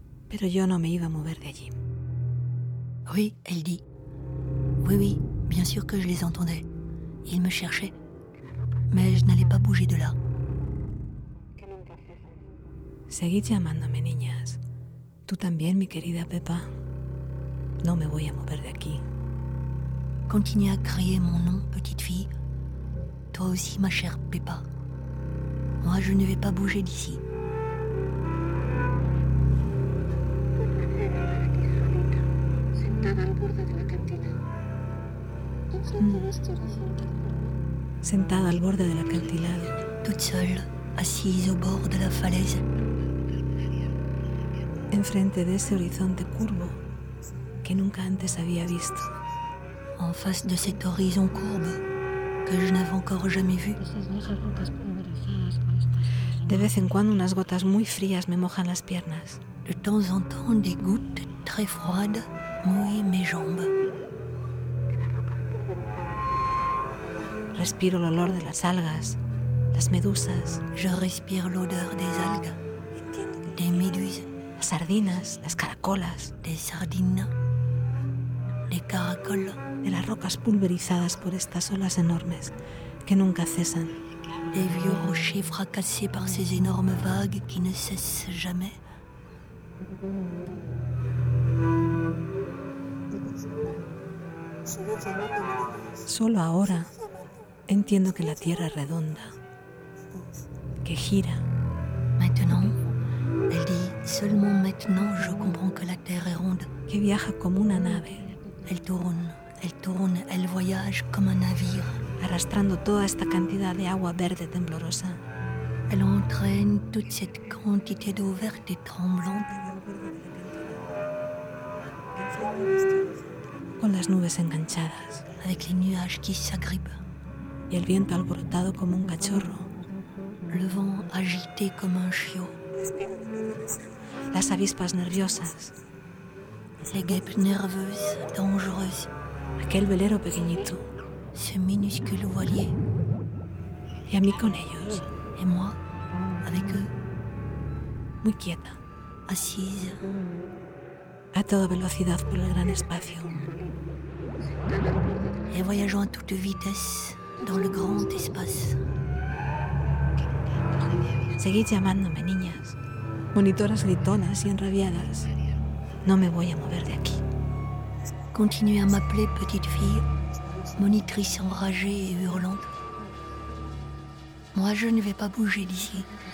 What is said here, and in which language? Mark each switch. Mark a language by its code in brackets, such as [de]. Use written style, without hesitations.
[es] Pero yo no me iba a mover de allí. [fr] Oui, elle dit. Oui, oui, bien sûr que je les entendais. Ils me cherchaient. Mais je n'allais pas bouger de là. [es] Seguid llamándome, niñas. Tú también, mi querida Pepa. No me voy a mover de aquí. [fr] Continuez à crier mon nom, petite fille. Toi aussi, ma chère Pepa. Moi, je ne vais pas bouger d'ici. [es] Sentada al borde del acantilado. [fr] Toute seule, assise au bord de la falaise. [es] Enfrente de ese horizonte curvo que nunca antes había visto. [fr] En face de cet horizon courbe que je n'avais encore jamais vu. [es] De vez en cuando unas gotas muy frías me mojan las piernas. [fr] De temps en temps des gouttes très froides mouillent mes jambes. [es] Respiro el olor de las algas, las medusas. [fr] Je respire l'odeur des algues, des méduses. [es] Las sardinas, las caracolas. [fr] Des sardines, des caracoles. [es] De las rocas pulverizadas por estas olas enormes que nunca cesan. [fr] Des vieux rochers fracassés par ces énormes vagues qui ne cessent jamais. [es] Solo ahora entiendo que la Tierra es redonda, que gira. [fr] Maintenant, elle dit, seulement maintenant je comprends que la Terre est ronde. [es] Que viaja como una nave. [fr] Elle tourne, elle voyage comme un navire. [es] Arrastrando toda esta cantidad de agua verde temblorosa. [fr] Elle entraîne toute cette quantité d'eau verte et tremblante. [es] Con las nubes enganchadas. [fr] Avec les nuages qui s'agrippent. [es] Y el viento alborotado como un cachorro. [fr] Le vent agité comme un chiot. [es] Las avispas nerviosas. [fr] Les guêpes nerveuses, dangereuses. [es] Aquel velero pequeñito. [fr] Ce minuscule voilier. [es] Y a mí con ellos. [fr] Et moi, avec eux. [es] Muy quieta. [fr] Assise. [es] A toda velocidad por el gran espacio. [fr] Y voyageant a toute vitesse. Dans le grand espace. [es] Seguid llamándome, niñas. Monitoras gritonas y enrabiadas. No me voy a mover de aquí. [fr] Continuez à m'appeler, petite fille. Monitrice enragée et hurlante. Moi, je ne vais pas bouger d'ici.